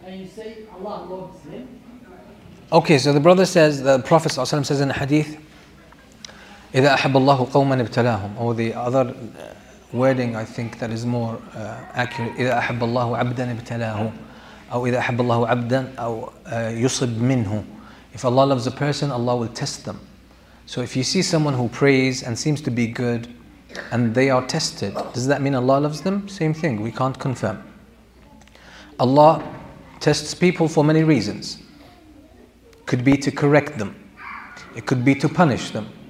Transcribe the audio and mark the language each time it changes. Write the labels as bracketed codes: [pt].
[en] And you say Allah loves him. Okay, so the brother says, the Prophet ﷺ says in the hadith, [ar] إِذَا أَحَبَ اللَّهُ قَوْمًا ابْتَلَاهُمْ. [en] Or the other wording I think that is more accurate, [ar] إِذَا أَحَبَ اللَّهُ عَبْدًا ابْتَلَاهُ. أو إِذَا أَحَبَ اللَّهُ عَبْدًا أو يُصِبْ مِنْهُ. [en] If Allah loves a person, Allah will test them. So if you see someone who prays and seems to be good and they are tested, does that mean Allah loves them? Same thing, we can't confirm. Allah tests people for many reasons. Could be to correct them. It could be to punish them.